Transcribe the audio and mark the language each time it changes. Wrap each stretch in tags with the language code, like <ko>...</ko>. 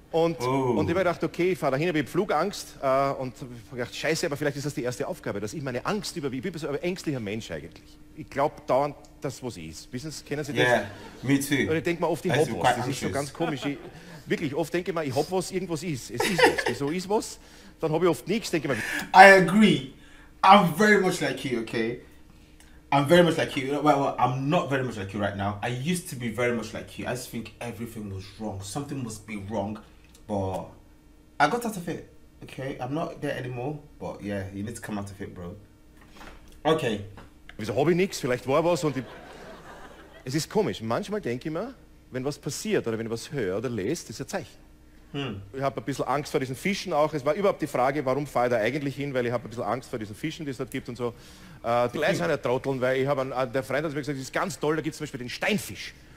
<de>Und ich habe gedacht, okay, ich fahre dahin, ich habe Flugangst, und ich habe gedacht, scheiße, aber vielleicht ist das die erste Aufgabe, dass ich meine Angst überwiege. Ich bin so ein ängstlicher Mensch eigentlich. Ich glaube dauernd, das was ist. Wissen Sie, kennen Sie das?</de> <en>Yeah, me too.</en> <de>Und ich denke mal oft, die hopplos, das ist so ganz komisch. Wirklich, oft denke ich mir, ich hab was, irgendwas ist. Es ist was. Wieso ist was? Dann habe ich oft nichts, denke ich mir.</de> <en>I agree. I'm very much like you, okay? I'm very much like you. Well, I'm not very much like you right now. I used to be very much like you. I just think everything was wrong. Something must be wrong. But I got out of it, okay? I'm not there anymore. But yeah, you need to come out of it, bro. Okay.</en> <de>Wieso habe ich nichts? Vielleicht war was und ich... Es ist komisch. Manchmal denke ich mir, wenn was passiert oder wenn ich was höre oder lese, das ist ein Zeichen. Hm. Ich habe ein bisschen Angst vor diesen Fischen auch. Es war überhaupt die Frage, warum fahre ich da eigentlich hin, weil ich habe ein bisschen Angst vor diesen Fischen, die es dort gibt und so. Die Leute sind ja Trotteln, weil ich habe der Freund hat mir gesagt, das ist ganz toll, da gibt es zum Beispiel den Steinfisch.</de>